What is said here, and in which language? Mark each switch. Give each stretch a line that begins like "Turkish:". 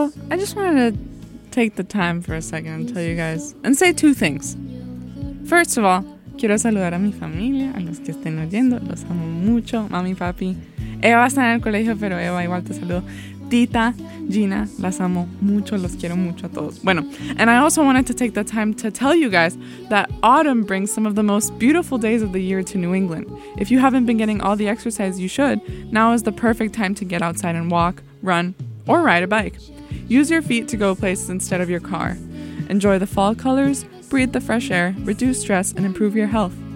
English: I just wanted to take the time for a second and tell you guys and say two things. First of all,
Spanish: quiero saludar a mi familia, a los que estén oyendo. Los amo mucho, mami, papi. Eva está en el colegio, pero Eva igual te saludo. Tita, Gina, las amo mucho, los quiero mucho a todos.
English: Bueno, and I also wanted to take the time to tell you guys that autumn brings some of the most beautiful days of the year to New England. If you haven't been getting all the exercise you should, now is the perfect time to get outside and walk, run, or ride a bike. Use your feet to go places instead of your car. Enjoy the fall colors, breathe the fresh air, reduce stress, and improve your health.